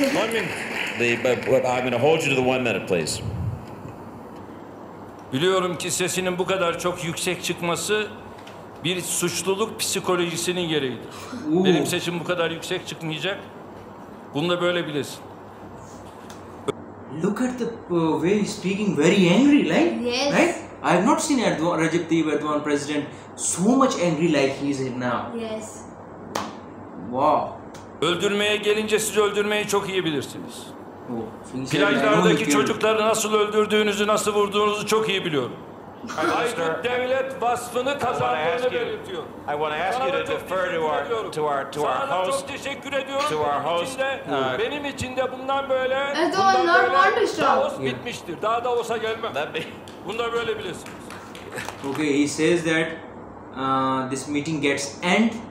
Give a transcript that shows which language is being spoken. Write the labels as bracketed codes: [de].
[en] But I'm going to hold you to the 1 minute, please. [tr] Biliyorum ki sesinin bu kadar çok yüksek çıkması bir suçluluk psikolojisinin gereğidir. Ooh. Benim sesim bu kadar yüksek çıkmayacak. Bunu da böyle bilesin. [en] Look at the way he's speaking, very angry, right? Yes. Right? I have not seen Erdogan, Recep Tayyip Erdogan president so much angry like he is now. Yes. Wow. [tr] Öldürmeye gelince siz öldürmeyi çok iyi bilirsiniz. Oh, plajlardaki çocukları nasıl öldürdüğünüzü, nasıl vurduğunuzu çok iyi biliyorum. Aykut devlet vasfını kazandığını belirtiyor. [en] I want to ask you to defer to our host. [tr] Sana çok teşekkür ediyorum. [en] To our host. [tr] Benim için de bundan böyle. Erdoğan normalmiş şu an. Davos bitmiştir. Daha Davos'a gelmem. Bunu da böyle bilirsiniz. [en] Okay, he says that this meeting gets end.